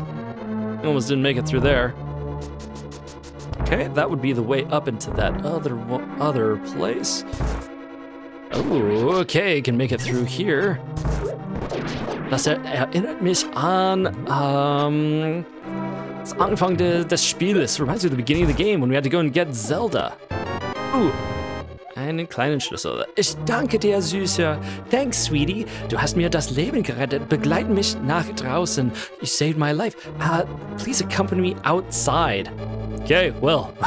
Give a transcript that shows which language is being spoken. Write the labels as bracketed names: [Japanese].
[English] Almost didn't make it through there. Okay, that would be the way up into that other place. Okay, can make it through here. [German] Das erinnert mich an das Anfang des Spiels. [English] Reminds me of the beginning of the game when we had to go and get Zelda. [German] Ooh, einen kleinen Schlüssel. Ich danke dir, Süßer. [English] Thanks, sweetie. [German] Du hast mir das Leben gerettet. Begleite mich nach draußen. [English] You saved my life. Please accompany me outside. Okay, well,